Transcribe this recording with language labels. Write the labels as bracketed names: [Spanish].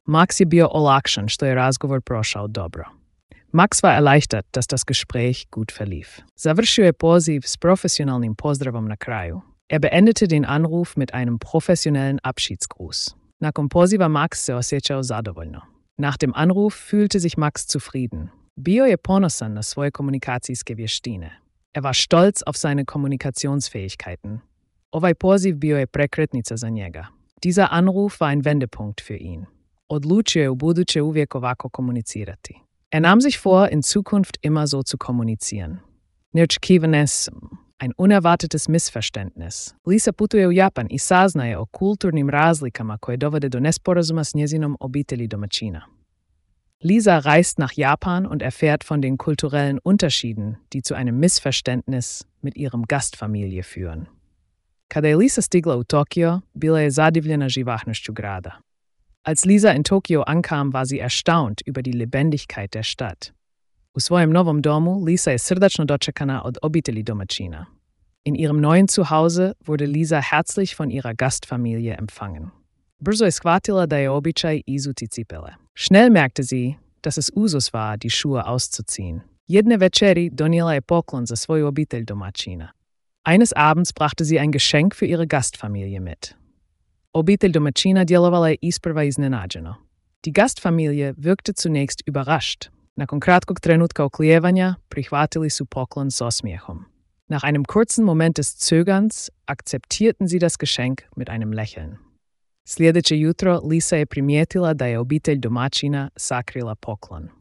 [Croatian] Max je bio olakšan što je razgovor prošao dobro. [German] Max war erleichtert, dass das Gespräch gut verlief. [Croatian] Završio je poziv s profesionalnim pozdravom na kraju. [German] Beendete den Anruf mit einem professionellen Abschiedsgruß. [Croatian] Nakon poziva Max se osjećao zadovoljno. [German] Nach dem Anruf fühlte sich Max zufrieden. [Croatian] Bio je ponosan na svoje komunikacijske vještine. [German] War stolz auf seine Kommunikationsfähigkeiten. [Croatian] Ovaj poziv bio je prekretnica za njega. [German] Dieser Anruf war ein Wendepunkt für ihn. [Croatian] Odlučio je u buduće uvijek ovako komunicirati. [German] Nahm sich vor, in Zukunft immer so zu kommunizieren. [Croatian] Neočekivanje, [German] ein unerwartetes Missverständnis. [Croatian] Lisa putuje u Japan i saznaje o kulturnim razlikama koje dovode do nesporazuma s njezinom obitelji domaćina. [German] Lisa reist nach Japan und erfährt von den kulturellen Unterschieden, die zu einem Missverständnis mit ihrem Gastfamilie führen. [Croatian] Kada je Lisa stigla u Tokio, bila je zadivljena živahnošću grada. [German] Als Lisa in Tokio ankam, war sie erstaunt über die Lebendigkeit der Stadt. [Croatian] U svojem novom domu, Lisa je srdačno dočekana od obitelji domaćina. [German] In ihrem neuen Zuhause wurde Lisa herzlich von ihrer Gastfamilie empfangen. [Croatian] Brzo je shvatila da je običaj izuti cipele. [German] Schnell merkte sie, dass es Usus war, die Schuhe auszuziehen. [Croatian] Jedne večeri donijela je poklon za svoju obitelj domaćina. [German] Eines Abends brachte sie ein Geschenk für ihre Gastfamilie mit. [Croatian] Obitelj domaćina djelovala je isprva iznenađeno. [German] Die Gastfamilie wirkte zunächst überrascht. [Croatian] Nakon kratkog trenutka oklijevanja, prihvatili su poklon s osmijehom. [German] Nach einem kurzen Moment des Zögerns akzeptierten sie das Geschenk mit einem Lächeln. [Croatian] Sljedeće jutro, Lisa je primijetila da je obitelj domaćina sakrila poklon.